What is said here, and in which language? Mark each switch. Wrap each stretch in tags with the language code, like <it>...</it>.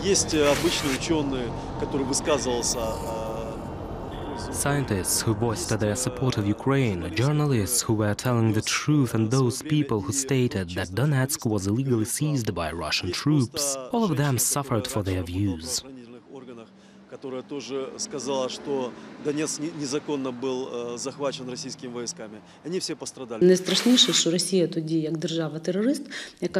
<ru>Есть обычный ученый, который высказывался.</ru> <en>Scientists who voiced their support of Ukraine, journalists who were telling the truth, and those people who stated that Donetsk was illegally seized by Russian troops, all of them suffered for their views.</en> <ru>которая тоже сказала, что Донецк незаконно был захвачен российскими войсками. Они все пострадали.</ru> <uk>Найстрашніше, що Росія тоді як держава-терорист, яка</uk>